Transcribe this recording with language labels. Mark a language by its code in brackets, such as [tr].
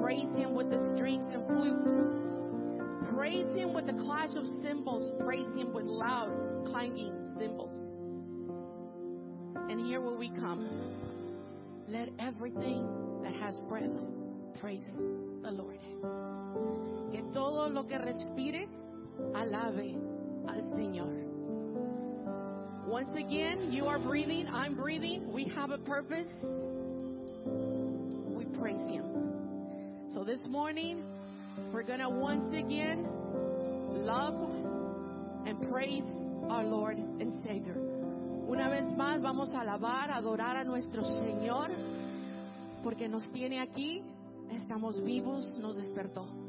[en] Praise Him with the strings and flutes. Praise Him with the clash of cymbals. Praise Him with loud clanging cymbals. And here will we come. Let everything that has breath praise the Lord. [es] Que todo lo que respire alabe al Señor. [en] Once again, you are breathing, I'm breathing, we have a purpose. We praise Him. So this morning, we're going to once again love and praise our Lord and Savior. [es] Una vez más, vamos a alabar, adorar a nuestro Señor, porque nos tiene aquí, estamos vivos, nos despertó.